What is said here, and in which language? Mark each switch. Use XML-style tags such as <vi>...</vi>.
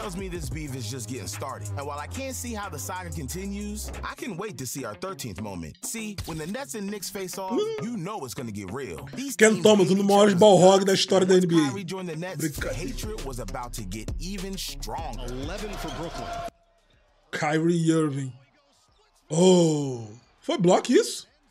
<en>Tells me this beef is just getting started. And while I can't see how the saga continues, I can wait to see our 13th moment. See, when the Nets and Knicks face off, you know it's gonna get real.</en> <pt>Ken Thomas, um dos maiores ball hog da história da NBA.</pt> <en>Kyrie joined the Nets, the hatred was about to get even stronger. 11 for Brooklyn.</en> <pt>Kyrie Irving. Oh, foi block isso?</pt>